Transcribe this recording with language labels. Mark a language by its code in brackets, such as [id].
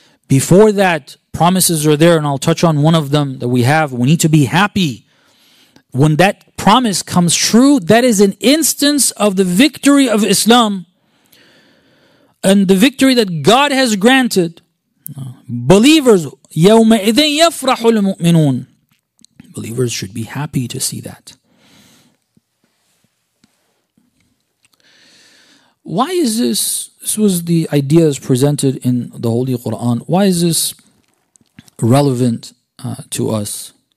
[en] Before that, promises are there, and I'll touch on one of them that we have. We need to be happy. When that promise comes true, that is an instance of the victory of Islam and the victory that God has granted. Believers, [ar] يَوْمَئِذٍ يَفْرَحُ الْمُؤْمِنُونَ. [en] Believers should be happy to see that. Why is this? This was the idea as presented in the Holy Quran. Why is this relevant to us?